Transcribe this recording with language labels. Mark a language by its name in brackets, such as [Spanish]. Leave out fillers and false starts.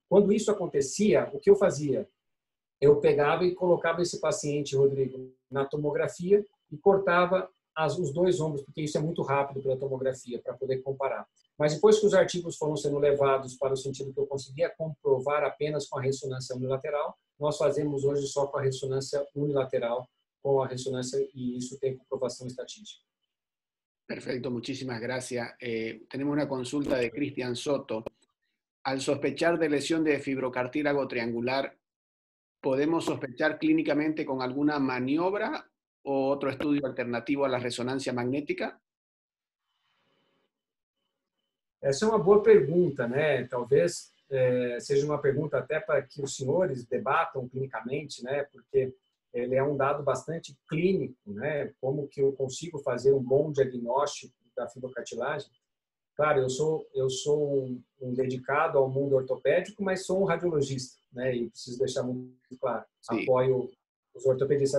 [Portuguese] Quando isso acontecia, o que eu fazia? Eu pegava e colocava esse paciente, Rodrigo, na tomografia e cortava os dois ombros, porque isso é muito rápido pela tomografia, para poder comparar. Mas depois que os artigos foram sendo levados para o sentido que eu conseguia comprovar apenas com a ressonância unilateral, nós fazemos hoje só com a ressonância unilateral, com a ressonância, e isso tem comprovação estatística. [Spanish] Perfecto, muchísimas gracias. Tenemos una consulta de Cristian Soto. Al sospechar de lesión de fibrocartílago triangular, ¿podemos sospechar clínicamente con alguna maniobra o otro estudio alternativo a la resonancia magnética? Esa es una buena pregunta, ¿no? Tal vez sea una pregunta até para que los señores debatan clínicamente, ¿no? [Portuguese] Porque ele é um dado bastante clínico, né? Como que eu consigo fazer um bom diagnóstico da fibrocartilagem? Claro, eu sou um dedicado ao mundo ortopédico, mas sou um radiologista, né? E preciso deixar muito claro. Sim. Apoio os ortopedistas.